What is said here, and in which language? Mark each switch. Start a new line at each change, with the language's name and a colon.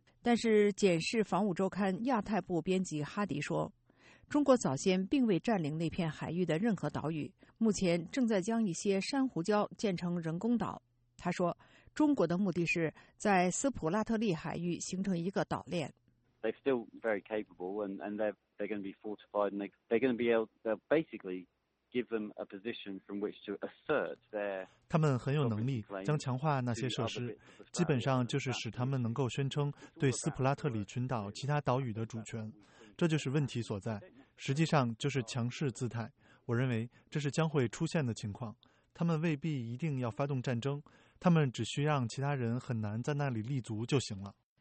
Chinese: 但是，检视防务周刊亚太部编辑哈迪说，中国早先并未占领那片海域的任何岛屿，目前正在将一些珊瑚礁建成人工岛。他说，中国的目的是在斯普拉特利海域形成一个岛链。
English: They're still very capable, and they're going to be fortified, and they're going to be able to basically give them a position from which to assert their.
Chinese: 他们很有能力，将强化那些设施，基本上就是使他们能够宣称对斯普拉特利群岛其他岛屿的主权。这就是问题所在，实际上就是强势姿态。我认为这是将会出现的情况。他们未必一定要发动战争，他们只需让其他人很难在那里立足就行了。